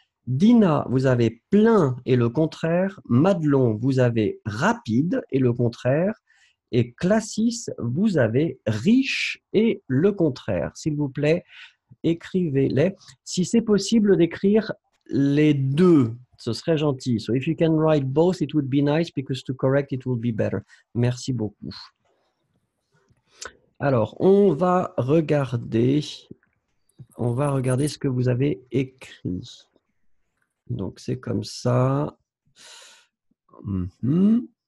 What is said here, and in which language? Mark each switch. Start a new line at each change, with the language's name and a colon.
French: Dina, vous avez plein et le contraire. Madelon, vous avez rapide et le contraire. et classis, vous avez riche et le contraire. S'il vous plaît, écrivez-les. Si c'est possible d'écrire les deux, ce serait gentil.
English: So if you can write both, it would be nice because to correct it would be better.
French: Merci beaucoup. Alors, on va regarder ce que vous avez écrit. Donc, c'est comme ça. Mm-hmm.